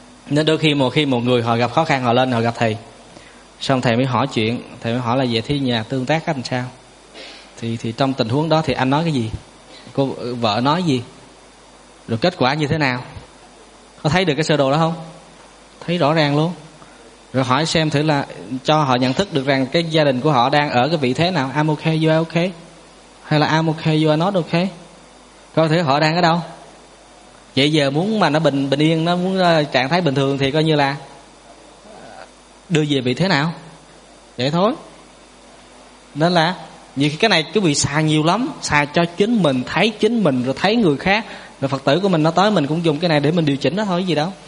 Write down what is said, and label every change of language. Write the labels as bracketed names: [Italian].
[Vietnamese] Nên đôi khi một người họ gặp khó khăn, họ lên họ gặp thầy, xong thầy mới hỏi chuyện, thầy mới hỏi là về thế nhà tương tác làm sao, thì trong tình huống đó thì anh nói cái gì, cô vợ nói gì, rồi kết quả như thế nào. Có thấy được cái sơ đồ đó không? Thấy rõ ràng luôn. Rồi hỏi xem thử là cho họ nhận thức được rằng cái gia đình của họ đang ở cái vị thế nào. [English] I'm okay, you are okay, hay là I'm okay, you are not okay. [Vietnamese] Coi thử họ đang ở đâu. Vậy giờ muốn mà nó bình yên, nó muốn trạng thái bình thường thì coi như là đưa về vị thế nào. Vậy thôi. Nên là nhiều khi cái này quý vị xài nhiều lắm, xài cho chính mình, thấy chính mình, rồi thấy người khác, rồi Phật tử của mình nó tới, mình cũng dùng cái này để mình điều chỉnh nó thôi, gì đâu.